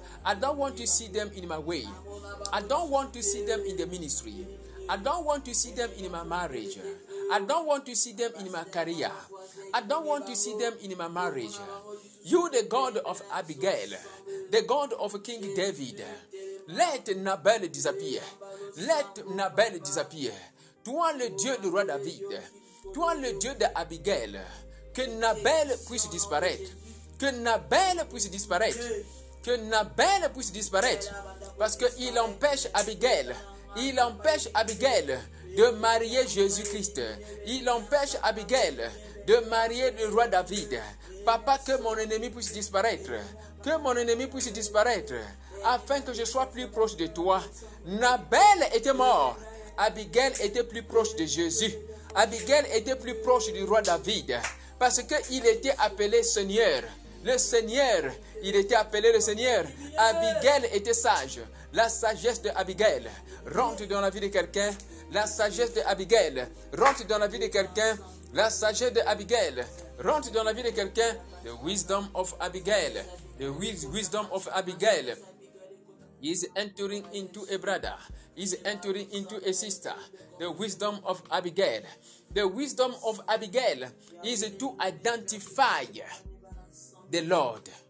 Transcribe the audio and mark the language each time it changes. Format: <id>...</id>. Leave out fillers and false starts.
<en>I don't want to see them in my way. I don't want to see them in the ministry. I don't want to see them in my marriage. I don't want to see them in my career. I don't want to see them in my marriage. You, the God of Abigail, the God of King David, let Nabal disappear. Let Nabal disappear.</en> <fr>Toi, le Dieu du roi David, toi, le Dieu d'Abigail, que Nabal puisse disparaître. Que Nabal puisse disparaître. Que Nabal puisse disparaître. Parce qu'il empêche Abigail. Il empêche Abigail de marier Jésus-Christ. Il empêche Abigail de marier le roi David. Papa, que mon ennemi puisse disparaître. Que mon ennemi puisse disparaître. Afin que je sois plus proche de toi. Nabal était mort. Abigail était plus proche de Jésus. Abigail était plus proche du roi David. Parce qu'il était appelé Seigneur. Le Seigneur. Il était appelé le Seigneur. Abigail était sage. La sagesse de Abigail rentre dans la vie de quelqu'un. La sagesse de Abigail rentre dans la vie de quelqu'un. La sagesse de Abigail rentre dans la vie de quelqu'un.</fr> <en>The wisdom of Abigail. The wisdom of Abigail is entering into a brother. Is entering into a sister. The wisdom of Abigail. The wisdom of Abigail is to identify the Lord.</en>